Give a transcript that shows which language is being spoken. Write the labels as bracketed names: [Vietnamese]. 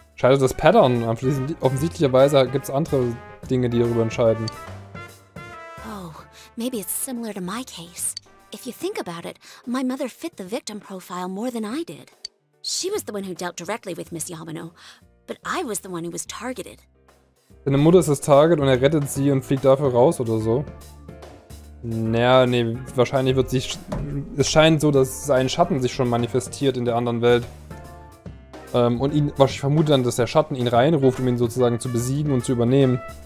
[German] Scheiße, das Pattern. Offensichtlicherweise gibt es andere Dinge, die darüber entscheiden. [English] Oh, maybe it's similar to my case. If you think about it, my mother fit the victim profile more than I did. She was the one who dealt directly with Miss Yamano, but I was the one who was targeted. [German] Seine Mutter ist das Target und rettet sie und fliegt dafür raus oder so. Naja, nee, wahrscheinlich wird sich... Es scheint so, dass sein Schatten sich schon manifestiert in der anderen Welt. Und ihn, was ich vermute dann, dass der Schatten ihn reinruft, um ihn sozusagen zu besiegen und zu übernehmen.